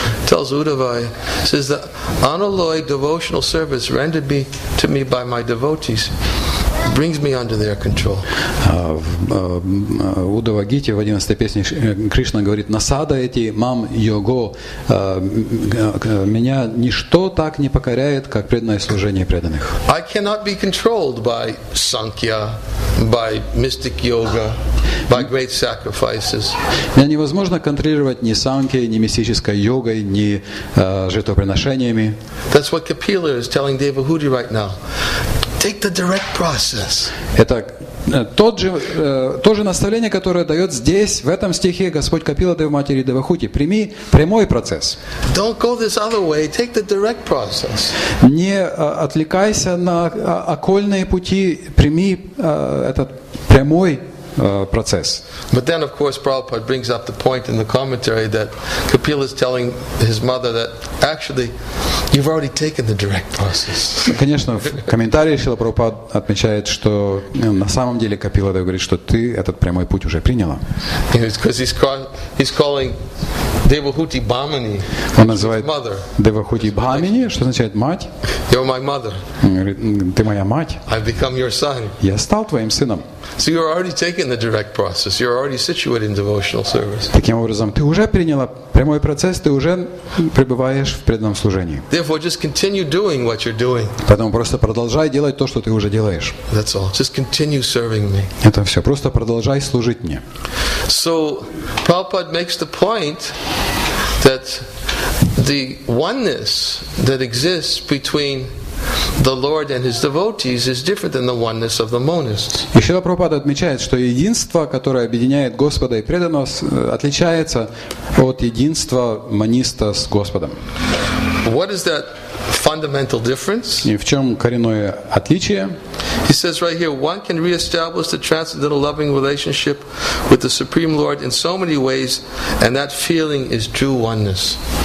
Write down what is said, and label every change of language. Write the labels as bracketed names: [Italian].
[English] Tells Uddhava, says the unalloyed devotional service rendered me to me by my devotees. Brings me under their control. [Russian] Удава Гите в 11-й песне Кришна говорит: Насада эти мам його, меня ничто так не покоряет, как преданное служение преданных. [English] I cannot be controlled by Sankhya, by mystic yoga, by great sacrifices. [Russian] Меня невозможно контролировать ни Санкхьей, ни мистической йогой, ни жертвоприношениями. [English] That's what Kapila is telling Devahuti right now. Take the direct process. [Russian] Это то же наставление, которое дает здесь, в этом стихе, Господь Капила Дева Матери Девахути. Прими прямой процесс. [English] Don't go this other way. Take the direct process. [Russian] Не отвлекайся на окольные пути. Прими этот прямой процесс. [English] But then, of course, Prabhupada brings up the point in the commentary that Kapila is telling his mother that actually you've already taken the direct process. [Russian] Конечно, в комментарии Шрила Прабхупада отмечает, что на самом деле Капила говорит, что ты этот прямой путь уже приняла. [English] Because he's calling Devahuti Bhamini. [Russian] Он называет [English] mother. [Russian] Devahuti Bhamini, что означает мать. [English] You're my mother. [Russian] Ты моя мать. [English] I've become your son. [Russian] Я стал твоим сыном. [English] So you're already taking the direct process. You're already situated in devotional service. [Russian] Таким образом, ты уже приняла прямой процесс, ты уже пребываешь в преданном служении. [English] Therefore, just continue doing what you're doing. Поэтому просто продолжай делать то, что ты уже делаешь. That's all. Just continue serving me. [Russian] Это все. Просто продолжай служить мне. [English] So, Prabhupada makes the point that the oneness that exists between the Lord and his devotees is different than the oneness of the monists. [Russian] И Шрила Прабхупада отмечает, что единство, которое объединяет Господа и преданного, отличается от единства мониста с Господом. [English] What is that fundamental difference? [Russian] И в чем коренное отличие? [English] He says right here, one can reestablish the transcendental loving relationship with the Supreme Lord in so many ways, and that feeling is true oneness.